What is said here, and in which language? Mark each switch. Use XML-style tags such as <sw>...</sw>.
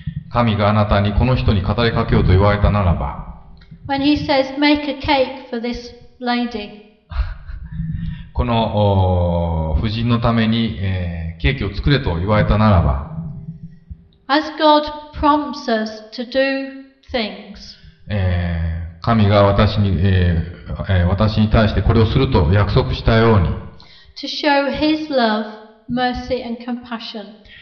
<ja>神があなたにこの人に語りかけようと言われたならば。</ja> <en>When he says, "Make a cake for this lady."</en> <ja>この婦人のために、ケーキを作れと言われたならば、</ja> <en>As God prompts us to do things,</en> <ja>神が私に対してこれをすると約束したように、</ja> <en>To show His love, mercy and compassion,</en>